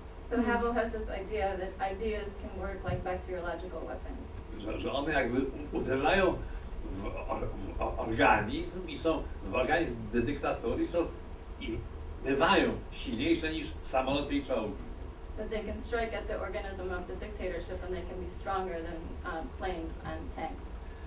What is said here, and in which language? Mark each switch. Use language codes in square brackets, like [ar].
[en] So Havel has this idea that ideas can work like bacteriological weapons. [pl] Że one jakby uderzają w organizm i są w organizm dyktatury są i bywają silniejsze niż samolot i czołgi. [en] That they can strike at the organism of the dictatorship and they can be stronger than planes and tanks.